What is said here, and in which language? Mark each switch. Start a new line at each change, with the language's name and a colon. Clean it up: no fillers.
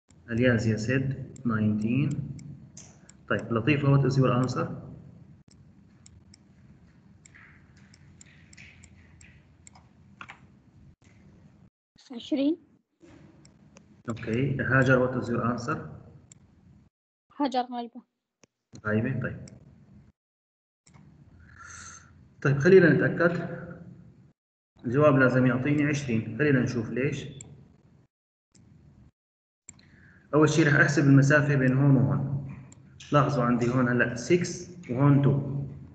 English: أليازة said 19.
Arabic: طيب,
English: لطيفة, what is your answer?
Arabic: عشرين.
English: Okay, هاجر, what is your answer?
Arabic: هاجر غايبه. غايبه, طيب خلينا نتاكد الجواب لازم يعطيني 20. خلينا نشوف ليش. اول شيء راح احسب المسافه بين هون وهون. لاحظوا عندي هون هلا 6 وهون 2.